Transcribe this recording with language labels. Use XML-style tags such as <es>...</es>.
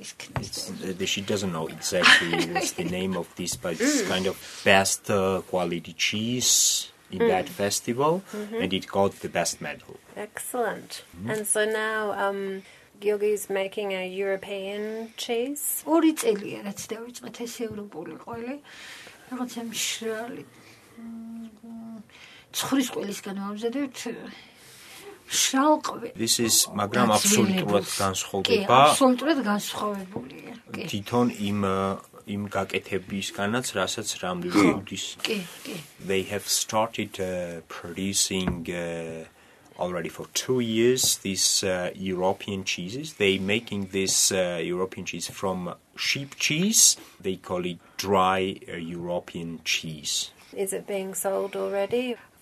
<en>isknis. She doesn't know exactly what's the name of this, but it's kind of best quality cheese in that festival, and it got the best medal. Excellent. And so now Georgi's making a European cheese.</en> <ka>Ორი წელია რაც დაიწყეთ ეს ევროპული ყველი. რაღაცა მშრალი. ცხვრის ყველისგან ამზადებთ. მშრალ ყველ.</ka> <en>This is</en> <ka>მაგრამ აბსოლუტურად განსხვავდება. კი, აბსოლუტურად განსხვავებულია. კი. თვითონ იმ გაკეთებისგანაც, რასაც რამდენი გამოდის. კი, კი.</ka> <en>They have started producing already for 2 years, these European cheeses. They're making this European cheese from sheep cheese. They call it dry European cheese. Is it being sold already?</en>